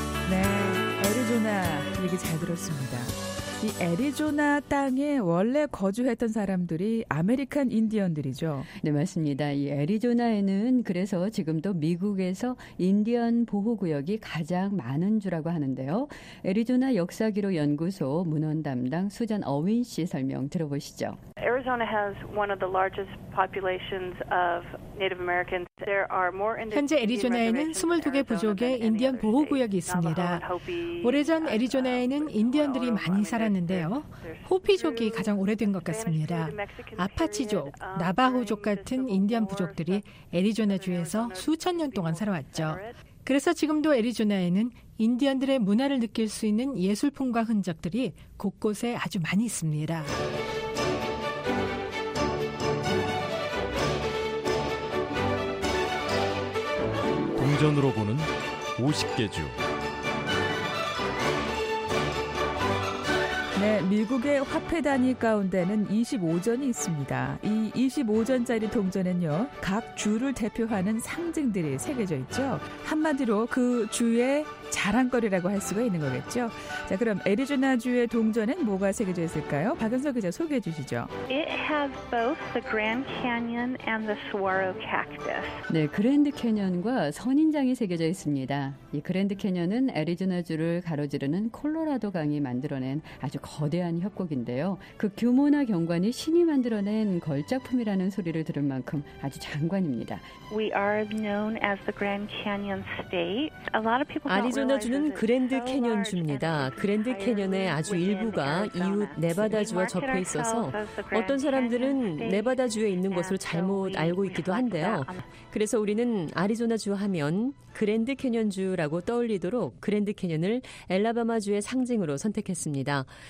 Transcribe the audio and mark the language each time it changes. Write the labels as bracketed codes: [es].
[ko] 네, 애리조나 얘기 잘 들었습니다. 이 애리조나 땅에 원래 거주했던 사람들이 아메리칸 인디언들이죠. 네, 맞습니다. 이 애리조나에는 그래서 지금도 미국에서 인디언 보호구역이 가장 많은 주라고 하는데요. 애리조나 역사기록 연구소 문헌 담당 수잔 어윈 씨 설명 들어보시죠. [en] Arizona has one of the largest populations of Native Americans. [ko] 현재 애리조나에는 22개 부족의 인디언 보호구역이 있습니다. 오래전 애리조나에는 인디언들이 많이 살았는데요. 호피족이 가장 오래된 것 같습니다. 아파치족, 나바호족 같은 인디언 부족들이 애리조나주에서 수천 년 동안 살아왔죠. 그래서 지금도 애리조나에는 인디언들의 문화를 느낄 수 있는 예술품과 흔적들이 곳곳에 아주 많이 있습니다. 동전으로 보는 50개 주. 네, 미국의 화폐 단위 가운데는 25전이 있습니다. 이 25전짜리 동전에는요, 각 주를 대표하는 상징들이 새겨져 있죠. 한마디로 그 주의 자랑거리라고 할 수가 있는 거겠죠. 자, 그럼 애리조나주의 동전엔 뭐가 새겨져 있을까요? 박은석 기자 소개해 주시죠. [en] It has both the Grand Canyon and the Saguaro Cactus. [ko] 네, 그랜드 캐년과 선인장이 새겨져 있습니다. 이 그랜드 캐년은 애리조나주를 가로지르는 콜로라도 강이 만들어낸 아주 거대한 협곡인데요. 그 규모나 경관이 신이 만들어낸 걸작품이라는 소리를 들을 만큼 아주 장관입니다. [en] We are known as the Grand Canyon State. A lot of people [ko] 애리조나주는 그랜드 캐년주입니다. 그랜드 캐년의 아주 일부가 이웃 네바다주와 접해 있어서 어떤 사람들은 네바다주에 있는 것을 잘못 알고 있기도 한데요. 그래서 우리는 애리조나주 하면 그랜드 캐년주라고 떠올리도록 그랜드 캐년을 엘라바마주의 상징으로 선택했습니다.